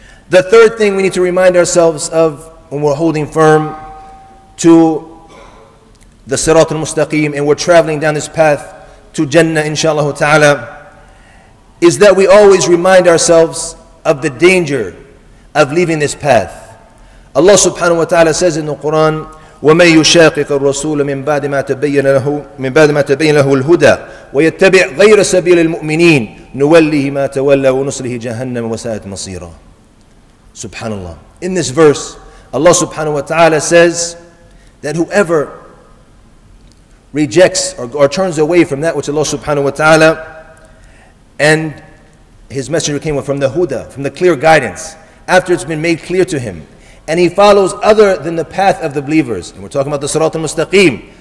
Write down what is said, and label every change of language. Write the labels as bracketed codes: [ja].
[en] The third thing we need to remind ourselves of when we're holding firm to the Sirat al-Mustaqeem and we're traveling down this path to Jannah inshallah ta'ala, is that we always remind ourselves of the danger of leaving this path. [ar] Allah subhanahu wa ta'ala says in the Quran, وَمَنْ يُشَاقِقَ الرَّسُولَ مِنْ بَعْدِ مَا تَبَيَّنَ لَهُ الْهُدَى وَيَتَّبِعْ غَيْرَ سَبِيلِ الْمُؤْمِنِينَ نُوَلِّهِ مَا تَوَلَّى وَنُصْلِهِ جَهَنَّمَ وَسَاءَتْ مَصِيرًا. [en] Subhanallah. In this verse, Allah subhanahu wa ta'ala says that whoever rejects or turns away from that which Allah subhanahu wa ta'ala and his messenger came from the huda, from the clear guidance, after it's been made clear to him, and he follows other than the path of the believers, and we're talking about the Sirat al-Mustaqeem.